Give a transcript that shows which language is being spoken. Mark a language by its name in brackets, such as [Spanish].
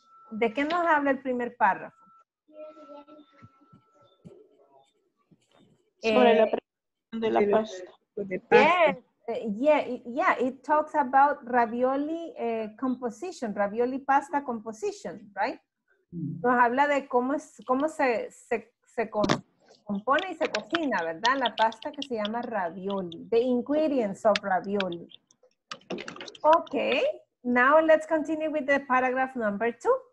[Spanish] ¿De qué nos habla el primer párrafo? Sobre la presentación de la pasta. [English] Yeah, it talks about ravioli composition, ravioli pasta composition, right? [Spanish] Nos habla de cómo se compone y se cocina, ¿verdad? La pasta que se llama ravioli, [English] the ingredients of ravioli. Okay, now let's continue with the paragraph number two.